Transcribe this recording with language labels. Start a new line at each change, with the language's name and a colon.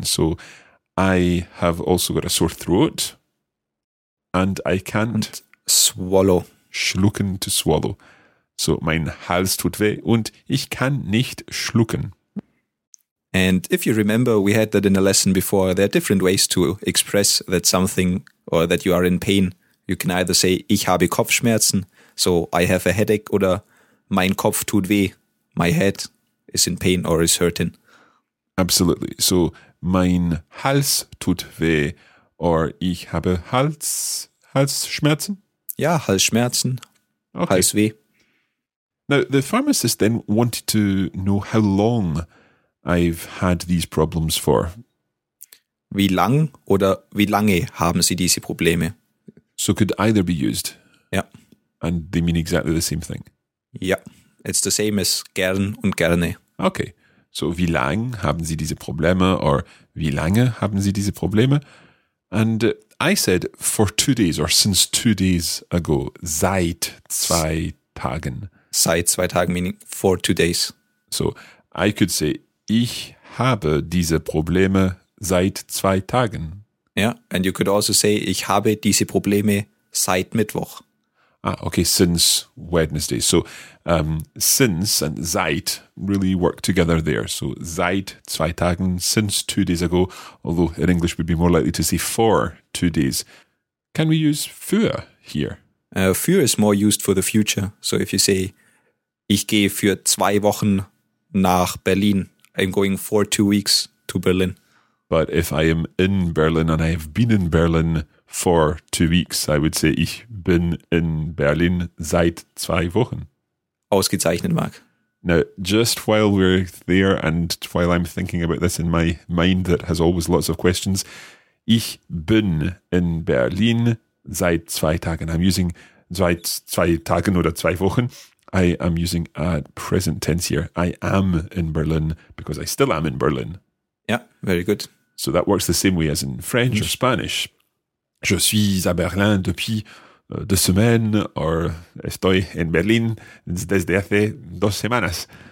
English: So I have also got a sore throat and I can't and swallow. Schlucken to swallow.
German: So, mein Hals tut weh und ich kann nicht schlucken.
English: And if you remember, we had that in a lesson before. There are different ways to express that something or that you are in pain. You can either say,
German: ich habe Kopfschmerzen.
English: So, I have a headache
German: oder mein Kopf tut weh.
English: My head is in pain or is hurting. Absolutely.
German: So, mein Hals tut weh or ich habe Halsschmerzen? Ja, Halsschmerzen. Okay. Halsweh.
English: Now, the pharmacist then wanted to know how long I've had these problems for.
German: Wie lang oder wie lange haben Sie diese Probleme?
English: So could either be used. Yeah. And they mean exactly the same thing. Yeah, it's the same as gern und gerne.
German: Okay, so wie lang haben Sie diese Probleme or wie lange haben Sie diese Probleme?
English: And I said for 2 days or since 2 days ago,
German: seit 2 Tagen.
English: Seit 2 Tagen, meaning for 2 days. So, I could say,
German: ich habe diese Probleme seit 2 Tagen.
English: Yeah, and you could also say,
German: ich habe diese Probleme seit Mittwoch.
English: Ah, okay, since Wednesday. So, since and seit really work together there. So,
German: seit 2 Tagen,
English: since 2 days ago, although in English we'd be more likely to say for 2 days. Can we use für here? Für is more used for the future.
German: So if you say, ich gehe für 2 Wochen nach Berlin.
English: I'm going for 2 weeks to Berlin. But if I am in Berlin and I have been in Berlin for 2 weeks, I would say,
German: ich bin in Berlin seit 2 Wochen. Ausgezeichnet, Mark.
English: Now, just while we're there and while I'm thinking about this in my mind that has always lots of questions,
German: ich bin in Berlin seit 2 Tagen.
English: I'm using
German: seit 2 Tagen oder 2 Wochen.
English: I am using a present tense here. I am in Berlin because I still am in Berlin. Yeah, very good. So that works the same way as in French or Spanish.
French: Je suis à Berlin depuis 2 semaines
Spanish: or estoy en Berlin desde hace 2 semanas.